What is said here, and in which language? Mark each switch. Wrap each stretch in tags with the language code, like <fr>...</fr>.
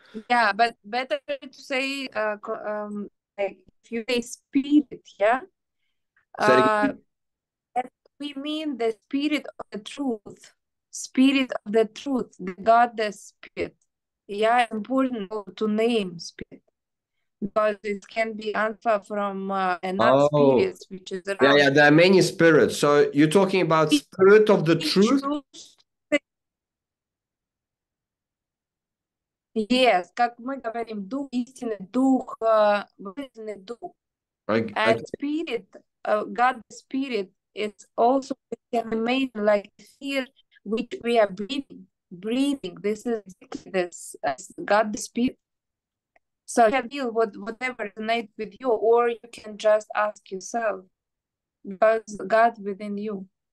<en>Yeah, but better to say, if you say spirit, yeah, that we mean the spirit of the truth, the God, the spirit. Yeah, important to name spirit, because it can be answer from spirits, which is around. Yeah, there are many spirits. So you're talking about spirit of the truth? Yes,</en> <ru>как мы говорим, дух, истинный дух, истинный дух.</ru> <en>And spirit, God, the spirit, it's also can remain like here, which we are breathing. This is this God, the spirit. So you can feel whatever resonates with you, or you can just ask yourself, because God within you.</en>